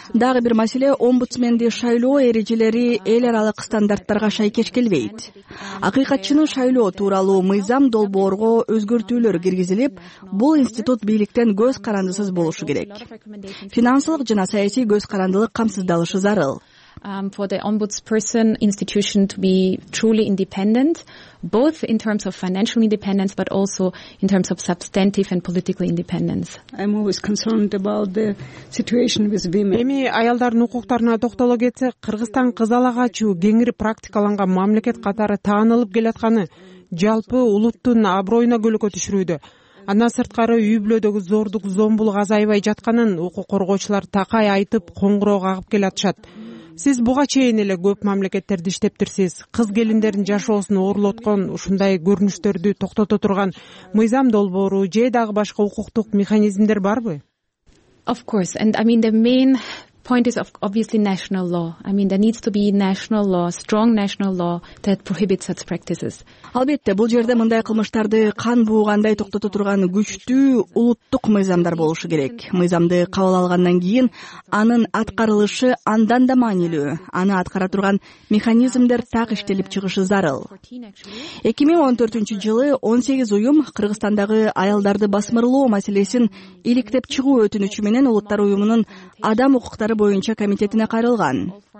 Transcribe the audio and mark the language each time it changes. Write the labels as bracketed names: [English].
[Kyrgyz] Дагы бир маселе омбудсменди шайлоо эрежелери эл аралык стандарттарга шайкеш келбейт. Акыйкатчыны шайлоо тууралуу мыйзам долбоорго өзгөртүүлөр киргизилип, бул институт бийликтен көз карандысыз болушу керек. Финансылык жана саясий көз карандылык камсыздалышы зарыл. [English] For the ombudsperson institution to be truly independent, both in terms of financial independence, but also in terms of substantive and political independence. I'm always concerned about the situation with women. [Kyrgyz] Эми аялдардын укуктарына токтоло кетсек, Кыргызстан кыз алага ачуу кеңири практикаланган мамлекет катары таанылып келатканы жалпы улуттун абройуна көлөкө түшүрүүдө. Андан сырткары үй-бүлөдөгү зордук зомбулук азайбай жатканын укук коргоочулар такай айтып коңгуроо кагып келатышат. Сиз буга чейин эле көп мамлекеттерди иштептирсиз. Кыз келиндердин жашоосун оорлоткон ушундай көрүнүштөрдү токтото турган мыйзам долбоору же дагы башка укуктук механизмдер барбы? [English] Of course, and I mean the main point is obviously national law. I mean there needs to be national law, strong national law that prohibits such practices. [Kyrgyz] Албетте, бул жерде мындай кылмыштарды кан буугандай токтото турган күчтүү улуттук мыйзамдар болушу керек. Мыйзамды кабыл алгандан кийин анын аткарылышы андан да маанилүү. Аны аткара турган механизмдер так иштелип чыгышы зарыл. 2014 жылы 18 уюм Кыргызстандагы аялдарды басмырлоо маселесин иликтеп чыгуу өтүнүчү менен Улуттар уюмунун адам укуктары боюнча комитетине кайрылган.